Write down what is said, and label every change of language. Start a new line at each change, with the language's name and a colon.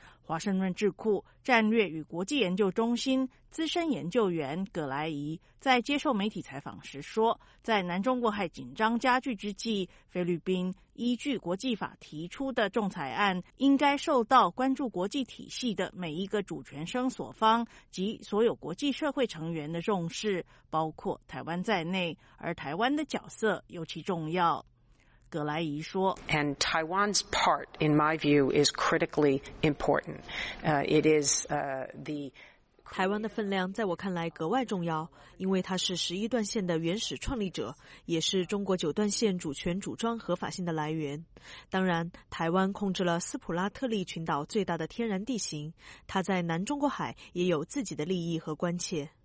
Chinese: 华盛顿智库战略与国际研究中心资深研究员葛莱仪在接受媒体采访时说，在南中国海紧张加剧之际，菲律宾依据国际法提出的仲裁案应该受到关注国际体系的每一个主权声索方及所有国际社会成员的重视，包括台湾在内，而台湾的角色尤其重要。葛莱仪说
English: ，And Taiwan's part, in my view, is critically important. It is the
Chinese: 台湾的分量在我看来格外重要，因为它是十一段线的原始创立者，也是中国九段线主权主张合法性的来源。当然，台湾控制了斯普拉特利群岛最大的天然地形，它在南中国海也有自己的利益和关切。